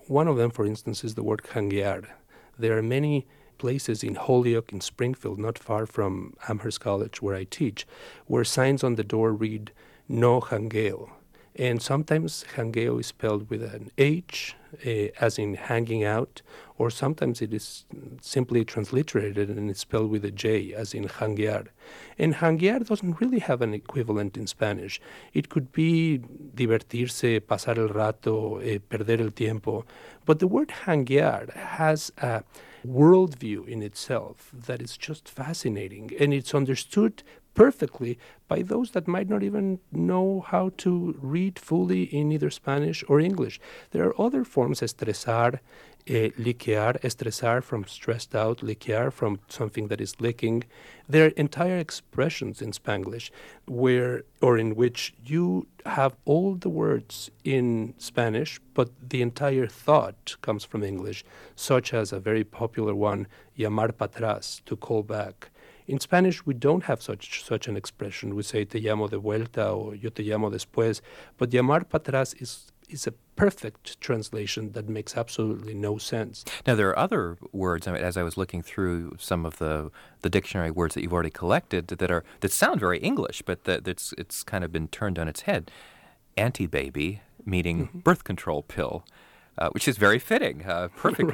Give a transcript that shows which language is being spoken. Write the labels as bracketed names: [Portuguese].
[English] One of them, for instance, is the word janguear. There are many places in Holyoke in Springfield, not far from Amherst College where I teach, where signs on the door read, "No jangueo." And sometimes jangueo is spelled with an H, as in hanging out, or sometimes it is simply transliterated and it's spelled with a J, as in janguear. And janguear doesn't really have an equivalent in Spanish. It could be [Spanish] divertirse, pasar el rato, perder el tiempo. [English] But the word janguear has a worldview in itself that is just fascinating, and it's understood perfectly by those that might not even know how to read fully in either Spanish or English. There are other forms, estresar, liquear, estresar from stressed out, liquear from something that is licking. There are entire expressions in Spanglish where or in which you have all the words in Spanish, but the entire thought comes from English, such as a very popular one, [Spanish] llamar para atrás, [English] to call back. In Spanish, we don't have such an expression. We say, [Spanish] te llamo de vuelta, [English] or [Spanish] yo te llamo después. [English] But [Spanish] llamar para atrás [English] is a perfect translation that makes absolutely no sense. Now, there are other words, I mean, as I was looking through some of the dictionary words that you've already collected, that sound very English, but it's kind of been turned on its head. Anti-baby, meaning birth control pill, which is very fitting, perfect